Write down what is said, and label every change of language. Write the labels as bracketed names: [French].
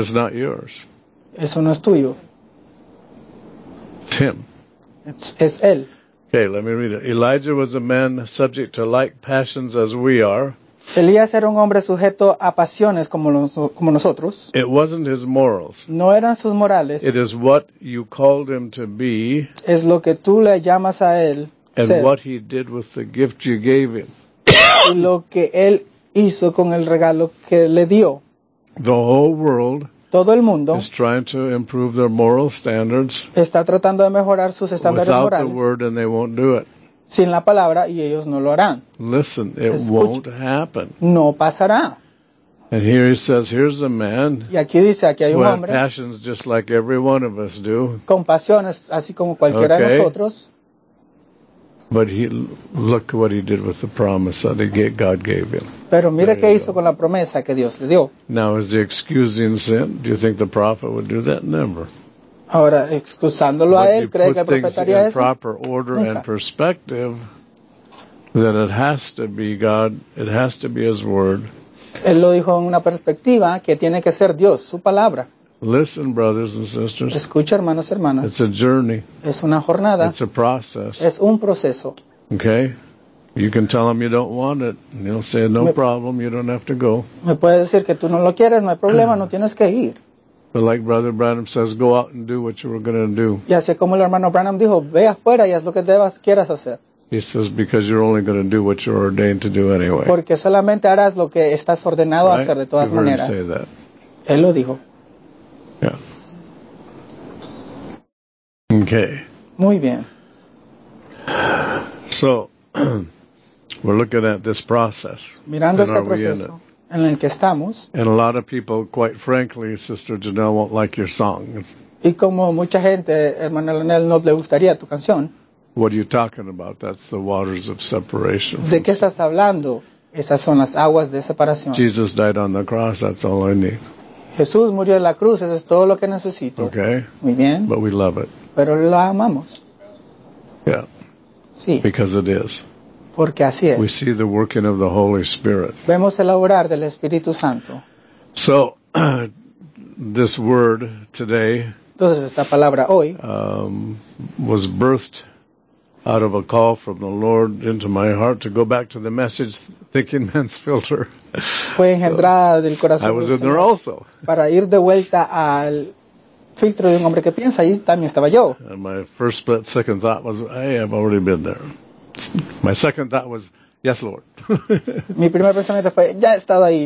[English] It's not yours. [Spanish] Eso no es tuyo. [English] Tim. [Spanish] Es él. [English] Okay, let me read it. Elijah was a man subject to like passions as we are. [Spanish] Elías era un hombre sujeto a pasiones como nosotros. [English] It wasn't his morals. [Spanish] No eran sus morales. [English] It is what you called him to be. [Spanish] Es lo que tú le llamas a él. [English] And [Spanish] ser. [English] What he did with the gift you gave him. [Spanish] Y lo que él hizo con el regalo que le dio. [English] The whole world. [Spanish] Todo el mundo. [English] Is trying to improve their moral standards. [Spanish] Está tratando de mejorar sus estándares [English] without [Spanish] morales. [English] The word and they won't do it. [Spanish] Sin la palabra y ellos no lo harán. [English] Listen, it [Spanish] escuche, [English] won't happen. [Spanish] No pasará. [English] And here he says, here's a man. [Spanish] Y aquí dice, aquí hay un hombre. [English] With passions just like every one of us do. [Spanish] Con pasiones, así como cualquiera [English] okay. [Spanish] de nosotros. [English] But he, look what he did with the promise that God gave him. [Spanish] Pero mire qué hizo con la promesa que Dios le dio. [English] Now is he excusing sin? Do you think the prophet would do that? Never. [Spanish] Ahora, excusándolo [English] but [Spanish] a él, ¿cree que profetaría eso? [English] But you put things in proper order [Spanish] nunca. [English] And perspective, that it has to be God, it has to be his word. [Spanish] Él lo dijo en una perspectiva que tiene que ser Dios, su palabra. [English] Listen, brothers and sisters. [Spanish] Escucha, hermanos, hermanas. [English] It's a journey. [Spanish] Es una jornada. [English] It's a process. [Spanish] Es un proceso. [English] Okay? You can tell him you don't want it, and he'll say, no problem, you don't have to go. [Spanish] Me puedes decir que tú no lo quieres, no hay problema, no tienes que ir. [English] But like Brother Branham says, go out and do what you were going to do. [Spanish] Y así como el hermano Branham dijo, ve afuera y haz lo que debas, quieras hacer. [English] He says, because you're only going to do what you're ordained to do anyway. [Spanish] Porque solamente harás lo que estás ordenado [English] right? [Spanish] a hacer de todas [English] you've [Spanish] maneras. [English] You heard him say that. [Spanish] Él lo dijo. [English] Yeah. Okay. [Spanish] Muy bien. [English] So, we're looking at this process. [Spanish] Mirando este proceso. En el que estamos. [English] And a lot of people, quite frankly, Sister Janelle, won't like your song. [Spanish] Y como mucha gente, hermano Leonel, no le gustaría tu canción. [English] What are you talking about? That's the waters of separation. [Spanish] ¿De qué estás hablando? Esas son las aguas de separación. [English] Jesus died on the cross. That's all I need. [Spanish] Jesús murió en la cruz, eso es todo lo que necesito. [English] Okay. [Spanish] Muy bien. [English] But we love it. [Spanish] Pero lo amamos. [English] Yeah. [Spanish] Sí. [English] Because it is. [Spanish] Porque así es. [English] We see the working of the Holy Spirit. [Spanish] Vemos el obrar del Espíritu Santo. [English] So, this word today. [Spanish] Entonces esta palabra hoy. [English] Was birthed out of a call from the Lord into my heart to go back to the message Thinking Man's Filter. [Spanish] Fue engendrada del corazón. [English] I was in there also. [Spanish] Para ir de vuelta al filtro de un hombre que piensa, ahí también estaba yo. [English] And my first split second thought was, hey, I've already been there. My second thought was, yes, Lord. [Spanish] Mi primer pensamiento fue, ya he estado ahí.